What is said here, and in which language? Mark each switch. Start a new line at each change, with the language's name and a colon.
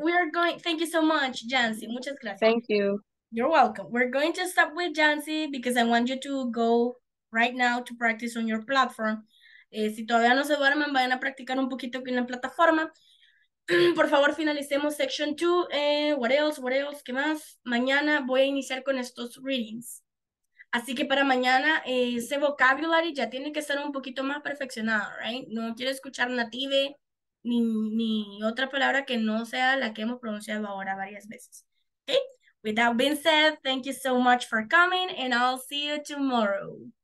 English: We are going, thank you so much, Jancy.
Spanish: Muchas gracias.
English: Thank you. You're welcome. We're going to stop with Jancy because I want you to go right now to practice on your platform.
Spanish: Si todavía no se duermen, vayan a practicar un poquito aquí en la plataforma. Por favor, finalicemos section 2.
English: What else?
Spanish: ¿Qué más? Mañana voy a iniciar con estos readings. Así que para mañana, ese vocabulary ya tiene que estar un poquito más perfeccionado, right? No quiero escuchar native ni otra palabra que no sea la que hemos pronunciado ahora varias veces.
English: Okay? With that being said, thank you so much for coming and I'll see you tomorrow.